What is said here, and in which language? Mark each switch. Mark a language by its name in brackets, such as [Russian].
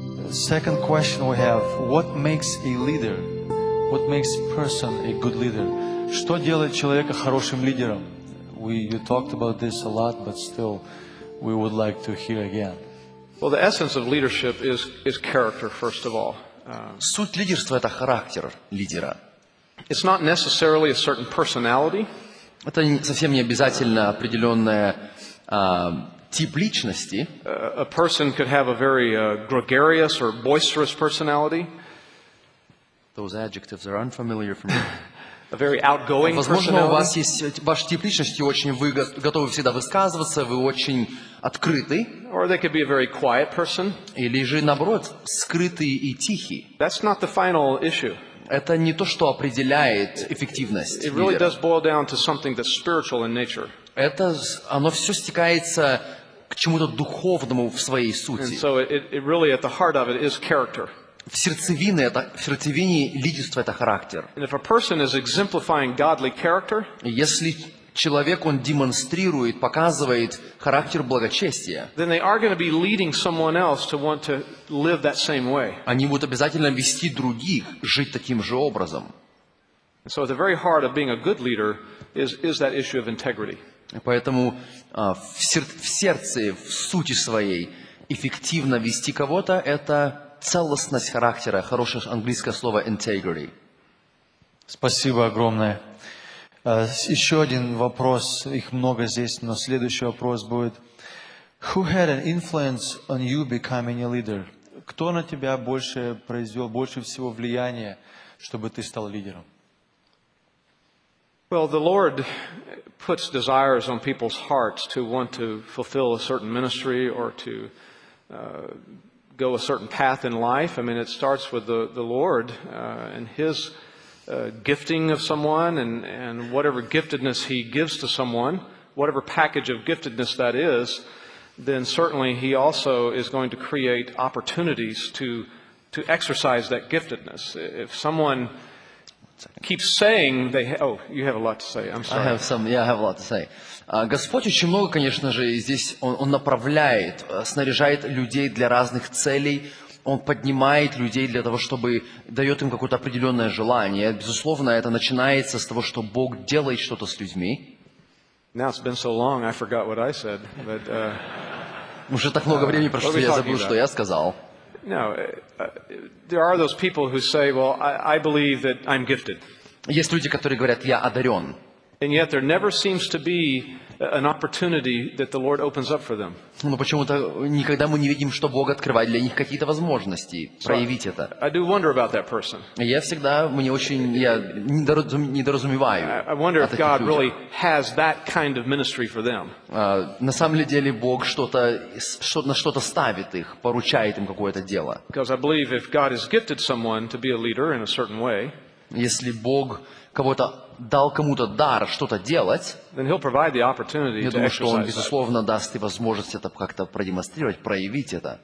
[English] Second question we have: what makes a leader? What makes a person a good leader? [Russian] Что делает человека хорошим лидером? [English] You talked about this a lot, but still, we would like to hear again. Well, the essence of leadership is character, first of all. Суть лидерства — это характер лидера. It's not necessarily a certain personality. Это совсем не обязательно определенная тип личности. A person could have a very gregarious or boisterous personality. Those adjectives are unfamiliar for me. A very outgoing [Russian] Возможно, [English] personality. [Russian] У вас есть ваш тип личности очень вы готовы всегда высказываться, вы очень открытый. [English] Or they could be a very quiet person. [Russian] Или же наоборот скрытый и тихий. [English] That's not the final issue. [Russian] Это не то, что определяет эффективность. [English] It really does boil down to something that's spiritual in nature. [Russian] Это оно все стекается к чему-то духовному в своей сути. [English] And so it really at the heart of it is character. [Russian] В сердцевине лидерство — это характер. [English] And if a person is exemplifying godly character, [Russian] если человек, он демонстрирует, показывает характер благочестия, [English] then they are going to be leading someone else to want to live that same way. [Russian] Они будут обязательно вести других жить таким же образом. [English] And so at the very heart of being a good leader is that issue of integrity. [Russian] Поэтому в сердце, в сути своей, эффективно вести кого-то — это целостность характера, хорошее английское слово integrity. Спасибо огромное. Еще один вопрос, их много здесь, но следующий вопрос будет. [English] Who had an influence on you becoming a leader? [Russian] Кто на тебя больше произвел, больше всего влияния, чтобы ты стал лидером? [English] Well, the Lord puts desires on people's hearts to want to fulfill a certain ministry or to go a certain path in life. I mean, it starts with the Lord and His gifting of someone and whatever giftedness He gives to someone, whatever package of giftedness that is, then certainly He also is going to create opportunities to exercise that giftedness. If someone keep saying they. Oh, you have a lot to say. I'm sorry. I have some. Yeah, I have a lot to say. [Russian] Господь очень много, конечно же, здесь он направляет, снаряжает людей для разных целей. Он поднимает людей для того, чтобы дает им какое-то определенное желание. Безусловно, это начинается с того, что Бог делает что-то с людьми. [English] Now it's been so long, I forgot what I said. But [Russian] уже так много времени прошло, что я забыл, что я сказал. [English] No, there are those people who say, "Well, I believe that I'm gifted." [Russian] Есть люди, которые говорят, я одарен. [English] And yet, there never seems to be an opportunity that the Lord opens up for them. [Russian] Но почему-то никогда мы не видим, что Бог открывает для них какие-то возможности проявить это. [English] I do wonder about that person. [Russian] Я всегда, мне очень, я недоразумеваю. [English] I wonder if God really has that kind of ministry for them. [Russian] На самом деле Бог что-то ставит их, поручает им какое-то дело. [English] Because I believe if God has gifted someone to be a leader in a certain way, [Russian] если Бог кого-то дал кому-то дар что-то делать, я думаю, что он, безусловно, даст и возможность это как-то продемонстрировать, проявить это.